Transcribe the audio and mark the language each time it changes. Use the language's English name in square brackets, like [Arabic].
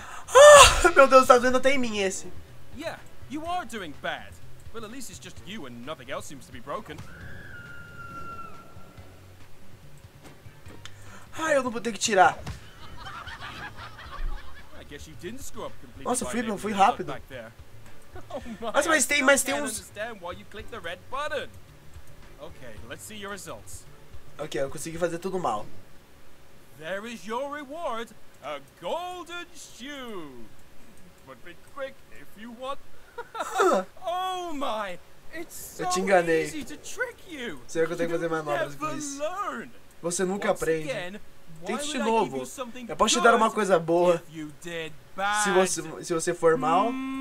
[Portuguese] Oh, meu Deus, tá doendo até em mim esse. [English] Yeah, you are doing bad. Well, at least it's just you and nothing else seems to be broken. [Portuguese] Ai, eu não vou ter que tirar. [English] I guess you didn't screw up completely. [Portuguese] Nossa, Friedman, fui rápido. [English] Oh my, [Portuguese] nossa, mas tem, uns... [English] understand why you clicked the red button. Okay, let's see your results. [Portuguese] Okay, eu consegui fazer tudo mal. [English] There is your reward, a golden shoe. But be quick if you want. Oh my, it's so easy to trick you. [Portuguese] Será que eu tenho que fazer manobras com isso? Você nunca aprende. Tente de novo. Eu posso te dar uma coisa boa. Se você for mal.